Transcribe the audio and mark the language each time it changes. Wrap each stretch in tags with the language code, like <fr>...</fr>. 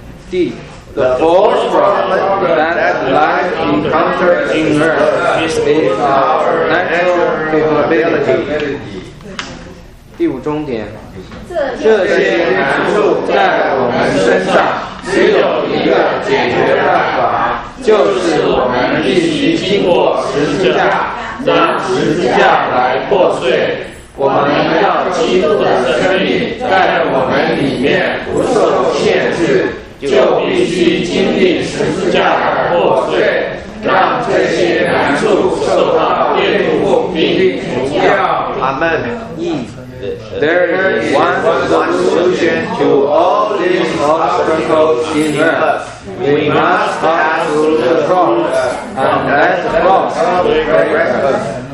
<en>D, the fourth problem that life encounters in us is our natural capability.</en> <zh>第五重点，这些难处在我们身上只有一个解决办法，就是我们必须经过十字架，拿十字架来破碎。我们要基督的生命在我们里面不受限制，就必须经历十字架的破碎，让这些难处受到颠覆并除掉。阿们。</zh> <en>There is one solution to all these obstacles in us. We must pass through the cross, and let the cross break us.</en>